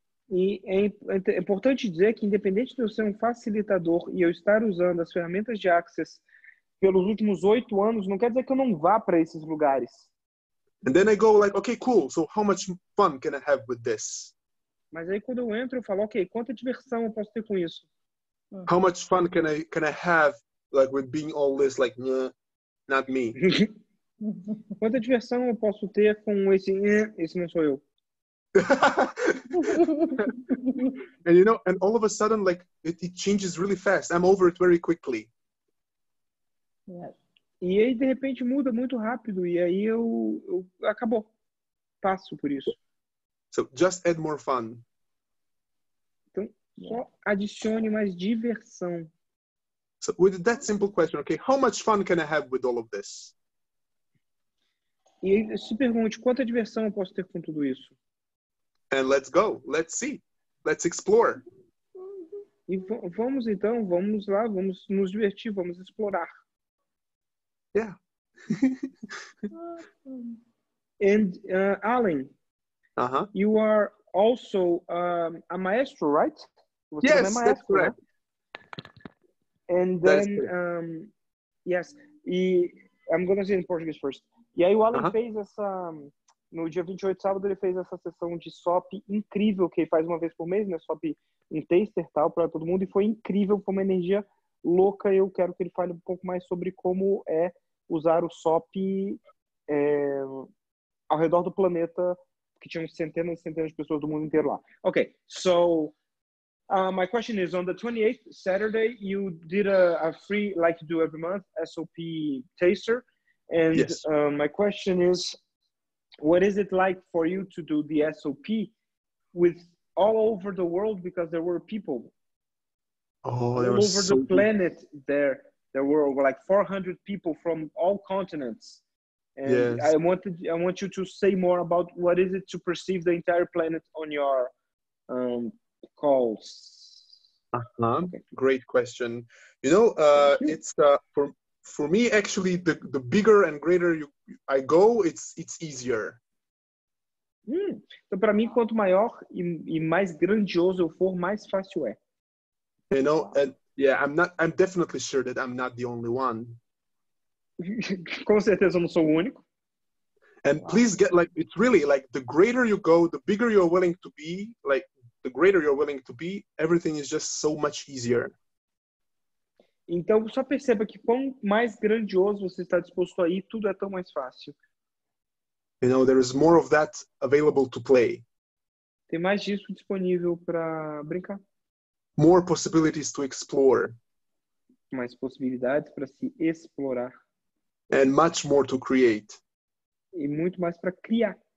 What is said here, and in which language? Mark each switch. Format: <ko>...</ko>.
<pt>E é importante dizer que independente de eu ser um facilitador e eu estar usando as ferramentas de access pelos últimos 8 anos, não quer dizer que eu não vá para esses lugares.</pt> <en>And then I go like, okay, cool. So how much fun can I have with this?</en> <pt>Mas aí quando eu entro, eu falo, ok, quanta diversão eu posso ter com isso?</pt> <en>How much fun can I have, like, with being all this, like, nah, not me?</en> <pt>Quanta diversão eu posso ter com esse, esse não sou eu?</pt> <en>And you know, and all of a sudden, like, it changes really fast. I'm over it very quickly.</en> <pt>Yeah. E aí, de repente, muda muito rápido. E aí, eu acabou. Passo por isso.</pt> <en>So just add more fun.</en> <pt>Então, só adicione mais diversão.</pt> <en>So with that simple question, okay, how much fun can I have with all of this?</en> <pt>E se pergunte, quanta diversão eu posso ter com tudo isso?</pt> <en>And let's go. Let's see. Let's explore.</en> <pt>E vamos então, vamos lá, vamos nos divertir, vamos explorar.</pt> <en>Yeah. And Alan, uh-huh. You are also a maestro, right?</en> <pt>Você</pt> <en>yes,</en> <pt>é maestro,</pt> <en>that's correct. Right? And then, yes, I'm going to say in Portuguese first.</en> <pt>E aí o Alan fez essa, no dia 28 de sábado, ele fez essa sessão de SOP incrível, que ele faz uma vez por mês, né? SOP em taster e tal, para todo mundo. E foi incrível, foi uma energia louca. Eu quero que ele fale um pouco mais sobre como é usar o SOP ao redor do planeta, que tinham centenas e centenas de pessoas do mundo inteiro lá.</pt> <en>Okay, so my question is, on the 28th, Saturday, you did a free, like you do every month, SOP taster. And yes. My question is, what is it like for you to do the SOP with all over the world, because there were people all over so the planet there. There were like 400 people from all continents. And yes. I want you to say more about what is it to perceive the entire planet on your calls. Uh-huh. Okay. Great question. You know, it's for me actually the bigger and greater I go, it's easier.</en> <pt>Então para mim quanto maior e mais grandioso eu for, mais fácil é.</pt> <en>You know, and yeah, I'm definitely sure that I'm not the only one.</en> <pt>Com certeza eu não sou o único.</pt> <en>And please get like, it's really like the greater you go, the bigger you're willing to be, like the greater you're willing to be, everything is just so much easier.</en> <pt>Então só perceba que quanto mais grandioso você está disposto a ir, tudo é tão mais fácil.</pt> <en>You know, there is more of that available to play.</en> <pt>Tem mais disso disponível para brincar.</pt> <en>More possibilities to explore.</en> <pt>Mais possibilidades para se explorar.</pt> <en>And much more to create.</en> <pt>E muito mais para criar.</pt>